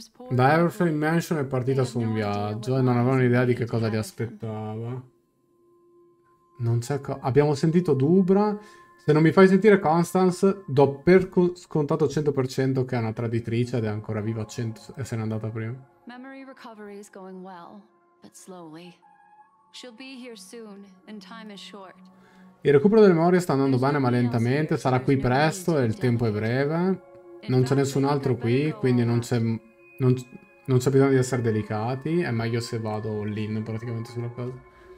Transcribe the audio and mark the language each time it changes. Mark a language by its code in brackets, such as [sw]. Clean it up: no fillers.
[it] Da Everframe Mansion è partita su un viaggio e non avevano idea di che cosa li aspettava. Non c'è abbiamo sentito Dubra. Se non mi fai sentire Constance, do per scontato 100% che è una traditrice ed è ancora viva e se n'è andata prima. [en] Memory recovery is going well, but slowly. She'll be here soon and time is short. [it] Il recupero delle memorie sta andando bene ma lentamente, sarà qui presto e il tempo è breve. Non c'è nessun altro qui, quindi non c'è bisogno di essere delicati. È meglio se vado all-in praticamente sulla cosa.